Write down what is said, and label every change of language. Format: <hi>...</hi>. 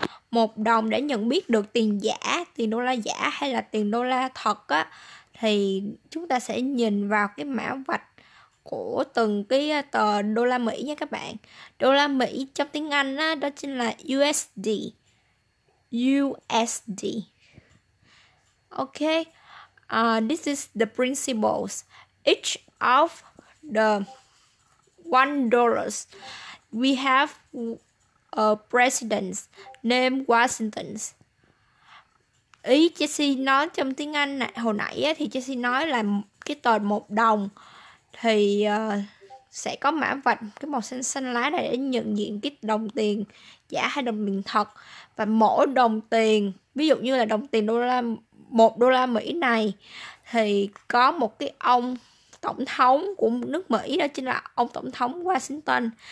<vi>1 đồng để nhận biết được tiền giả, tiền đô la giả hay là tiền đô la thật á, thì chúng ta sẽ nhìn vào cái mã vạch của từng cái tờ đô la Mỹ nha các bạn. Đô la Mỹ trong tiếng Anh á, đó chính là USD. USD.</vi> <en>Ok, this is the principles. Each of the $1, we have a president's name Washington.</en> <vi>Ý Jessie nói trong tiếng Anh này, hồi nãy ấy, thì Jessie nói là cái tờ 1 đồng thì sẽ có mã vạch cái màu xanh xanh lá này để nhận diện cái đồng tiền giả hay đồng tiền thật. Và mỗi đồng tiền, ví dụ như là đồng tiền đô la, 1 đô la Mỹ này, thì có một cái ông tổng thống của nước Mỹ, đó chính là ông tổng thống Washington.</vi>